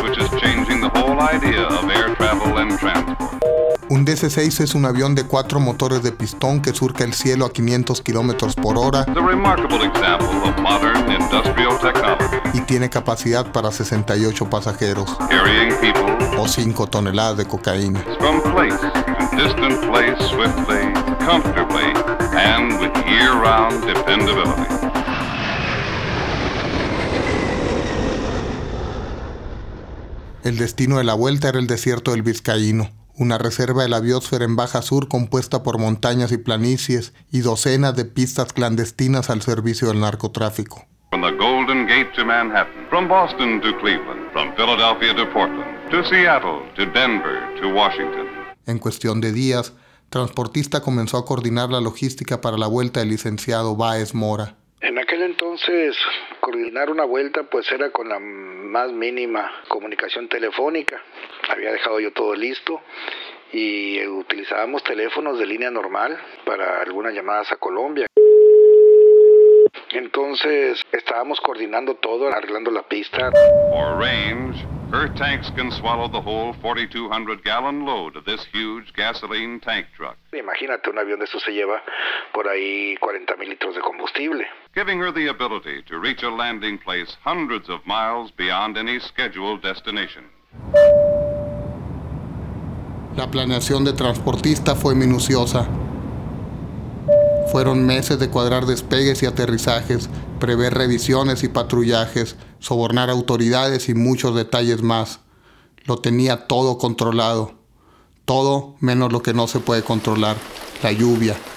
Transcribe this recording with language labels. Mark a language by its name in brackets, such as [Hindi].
[English] which is changing the whole idea of air travel and transport. [Spanish] Un DC-6 es un avión de 4 motores de pistón que surca el cielo a 500 kilómetros por hora. [English] It's a remarkable example of modern industrial technology. [Spanish] Y tiene capacidad para 68 pasajeros. [English] Carrying people. [Spanish] O 5 toneladas de cocaína. [English] From place to distant place, swiftly, comfortably, and with year-round dependability. [Spanish] El destino de la vuelta era el desierto del Vizcaíno, una reserva de la biosfera en Baja Sur compuesta por montañas y planicies y docenas de pistas clandestinas al servicio del narcotráfico. [English] From the Golden Gate to Manhattan, from Boston to Cleveland, from Philadelphia to Portland, to Seattle, to Denver, to Washington. [Spanish] En cuestión de días, Transportista comenzó a coordinar la logística para la vuelta del licenciado Báez Mora. En aquel entonces, coordinar una vuelta pues era con la más mínima comunicación telefónica. Había dejado yo todo listo y utilizábamos teléfonos de línea normal para algunas llamadas a Colombia. Entonces, estábamos coordinando todo, arreglando la pista. [English] For range, her tanks can swallow the whole 4200 gallon load of this huge gasoline tank truck. [Spanish] Imagínate, un avión de esos se lleva por ahí 40 mil litros de combustible. [English] Giving her the ability to reach a landing place hundreds of miles beyond any scheduled destination. [Spanish] La planeación de transportista fue minuciosa. Fueron meses de cuadrar despegues y aterrizajes, prever revisiones y patrullajes, sobornar autoridades y muchos detalles más. Lo tenía todo controlado. Todo menos lo que no se puede controlar, la lluvia.